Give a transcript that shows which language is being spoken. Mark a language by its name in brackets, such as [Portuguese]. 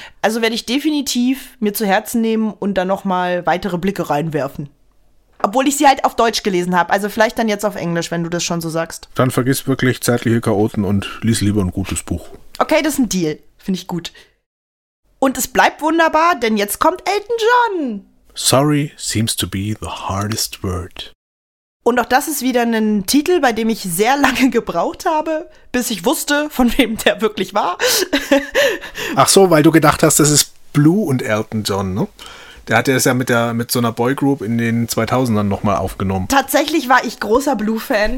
[German] Also werde ich definitiv mir zu Herzen nehmen und dann nochmal weitere Blicke reinwerfen. Obwohl ich sie halt auf Deutsch gelesen habe. Also vielleicht dann jetzt auf Englisch, wenn du das schon so sagst. Dann vergiss wirklich Zärtliche Chaoten und lies lieber ein gutes Buch. Okay, das ist ein Deal. Finde ich gut. Und es bleibt wunderbar, denn jetzt kommt Elton John. [English] Sorry seems to be the hardest word. [German] Und auch das ist wieder ein Titel, bei dem ich sehr lange gebraucht habe, bis ich wusste, von wem der wirklich war. Ach so, weil du gedacht hast, das ist Blue und Elton John, ne? Der hat es ja mit so einer Boygroup in den 2000ern nochmal aufgenommen. Tatsächlich war ich großer Blue-Fan.